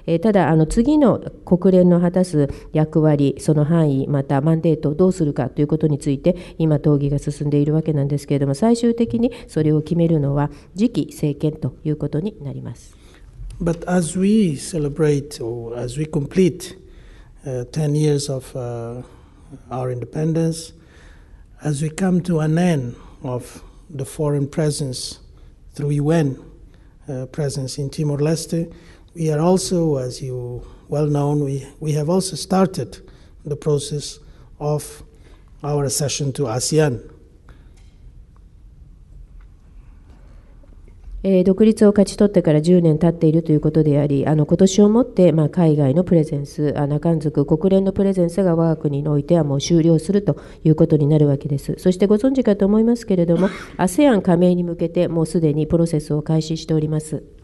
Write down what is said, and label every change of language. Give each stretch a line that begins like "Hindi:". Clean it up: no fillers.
Japanese: ただあの次の国連の果たす役割、その範囲、またマンデートをどうするかということについて、今討議が進んでいるわけなんですけれども、最終的にそれを決めるのは次期政権ということになります。
English: But as we celebrate or as we complete 10 years of our independence, as we come to an end of the foreign presence through UN presence in Timor-Leste, we are also, as you well know, we have also started the process of our accession to ASEAN.
Japanese: 独立を勝ち取ってから10年経っているということであり、あの今年をもって、まあ、海外のプレゼンス、なかんずく国連のプレゼンスが我が国においてはもう終了するということになるわけです。そしてご存知かと思いますけれども、ASEAN 加盟に向けてもうすでにプロセスを開始しております。